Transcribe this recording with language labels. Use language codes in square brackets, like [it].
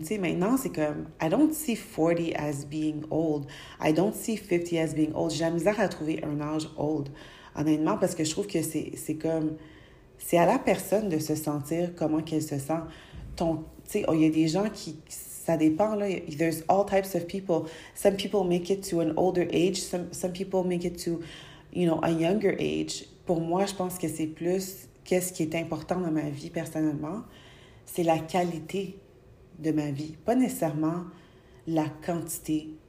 [fr] T'sais, maintenant, c'est comme, [en] I don't see 40 as being old. I don't see 50 as being old. [fr] J'ai la misère à trouver un âge old, honnêtement, parce que je trouve que c'est comme, c'est à la personne de se sentir comment qu'elle se sent. T'sais, oh, y a des gens qui, ça dépend, là. [en] There's all types of people. Some people make it to an older age. Some people make it to, you know, a younger age. [fr] Pour moi, je pense que c'est plus qu'est-ce qui est important dans ma vie personnellement. C'est la qualité de ma vie, pas nécessairement la quantité.